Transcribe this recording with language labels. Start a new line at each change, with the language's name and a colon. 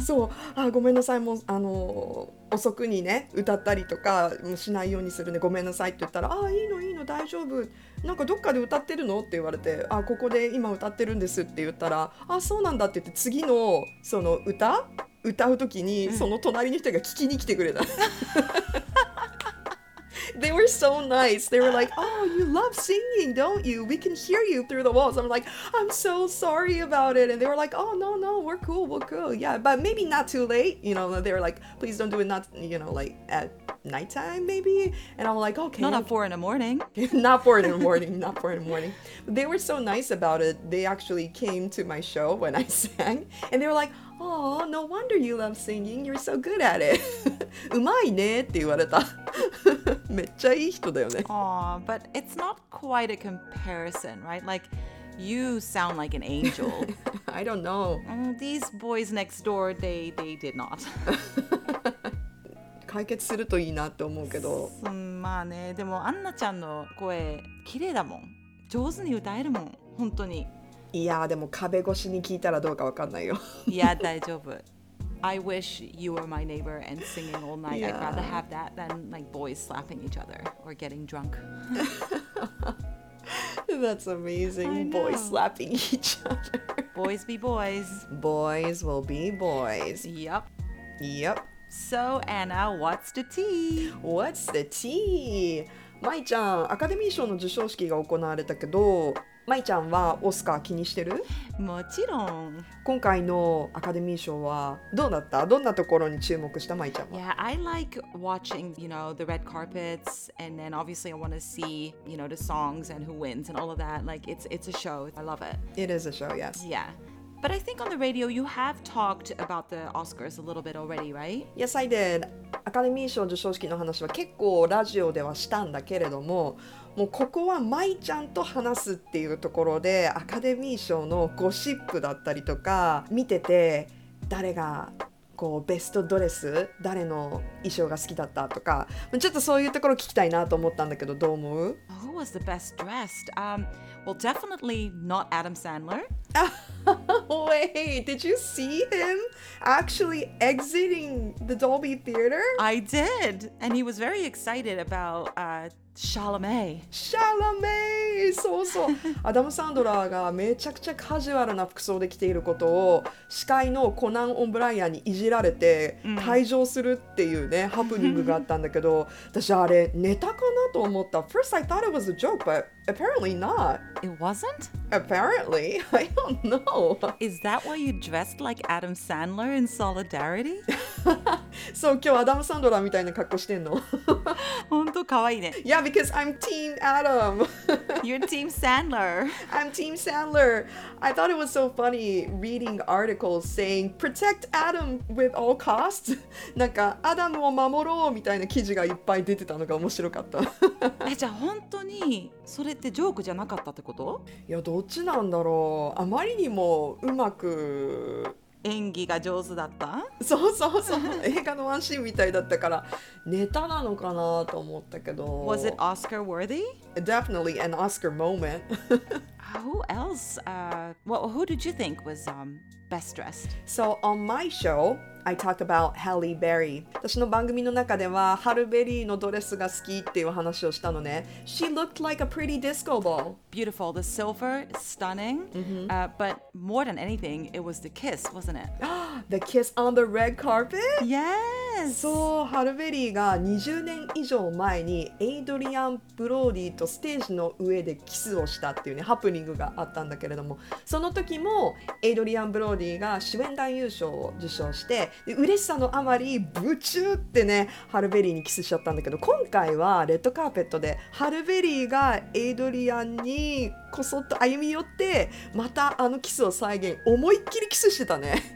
Japanese: そう、あ、ごめんなさい、もう遅くにね歌ったりとかしないようにするね、ごめんなさいって言ったら、あ、いいのいいの大丈夫、なんかどっかで歌ってるのって言われて、あ、ここで今歌ってるんですって言ったら、あ、そうなんだって言って、次のその歌うときにその隣の人が聞きに来てくれた。
English: They were so nice. They were like, oh, you love singing, don't you? We can hear you through the walls. I'm like, I'm so sorry about it. And they were like, oh, no, no, we're cool, we're cool. Yeah, but maybe not too late. You know, they were like, please don't do it, not, you know, like at nighttime, maybe. And I'm like, okay. Not at four in the morning. Not four in the morning. Not four in the morning. They were so nice about it. They actually came to my show when I sang. And they were like, oh, no wonder you love singing. You're so good at it.
Japanese: うまいねって言われた。めっちゃいい人だよね。
English: Aw, but it's not quite a comparison, right? Like, you sound like an angel. I don't know. These boys next door, they did not.
Japanese: 解決するといいなって思うけど。まあね、でもアンナちゃんの声綺麗だもん。上手に歌えるもん、本当に。いやでも壁越しに聞いたらどうか分かんないよ。いや大丈夫。
English: I wish you were my neighbor and singing all night. I'd rather have that than like boys slapping each other or getting drunk. That's amazing. Boys slapping each other. Boys be boys. Boys will be boys. Yep. Yep. So, Anna, what's the tea? What's the tea?
Japanese: Mai ちゃん、アカデミー賞の授賞式が行われたけど、まいちゃんはオスカー気にしてる？もちろん。今回のアカデミー賞はどうだった？どんなところに注目した？まいちゃんは。
English: Yeah, I like watching, you know, the red carpets, and then obviously I want to see, you know, the songs and who wins and all of that. Like, it's a show. I love it. It is a show, yes. Yeah. But I think on the radio, you have talked about the Oscars a little bit already, right? Yes, I did.
Japanese: アカデミー賞授賞式の話は結構ラジオではしたんだけれども、もうここはまいちゃんと話すっていうところで、アカデミー賞のゴシップだったりとか見てて、誰がこうベストドレス、誰の衣装が好きだったとか、ちょっとそういうところ聞きたいなと思ったんだけど、どう思う？
English: Who was the best dressed? Well, definitely not Adam Sandler. Wait, did you see him actually exiting the Dolby Theater? I did, and he was very excited about Chalamet.
Japanese: Chalamet! そうそう。アダム・サンドラーがめちゃくちゃカジュアルな服装で着ていることを司会のコナン・オンブライアンにいじられて退場するっていうね、ハプニングがあったんだけど、私あれネタかなと思った。
English: First I thought it was a joke, but apparently not. It wasn't? Apparently? I don't know. Is that why you dressed like Adam Sandler in solidarity?
Japanese: そう、今日アダム・サンドラーみたいな格好してんの。本当かわいいね。
English: Yeah, because I'm team Adam. You're Team Sandler. I'm Team Sandler. I thought it was so funny reading articles saying protect Adam with all costs.
Japanese: なんかアダムを守ろうみたいな記事がいっぱい出てたのが面白かった。え、じゃあ本当にそれってジョークじゃなかったってこと？いや、どっちなんだろう。あまりにもうまく演技が上手だった。そうそうそう、映画のワンシーンみたいだったからネタなのかなと思ったけど。
English: Was it Oscar worthy? Definitely an Oscar moment. Who else? Well, who did you think was best dressed? So on my show, I talked about Halle Berry.
Japanese: 私の番組の中ではハルベリーのドレスが好きっていう話をしたのね。
English: She looked like a pretty disco ball. Beautiful. The silver, stunning. But more than anything, it was the kiss, wasn't it? The kiss on the red carpet? Yes!
Japanese: そう、ハルベリーが20年以上前にエイドリアン・ブローディとステージの上でキスをしたっていうね、ハプニングがあったんだけれども、その時もエイドリアン・ブローディが主演男優賞を受賞して、で嬉しさのあまりブチューってね、ハルベリーにキスしちゃったんだけど、今回はレッドカーペットでハルベリーがエイドリアンにこそっと歩み寄ってまたあのキスを再現、思いっきりキスしてたね。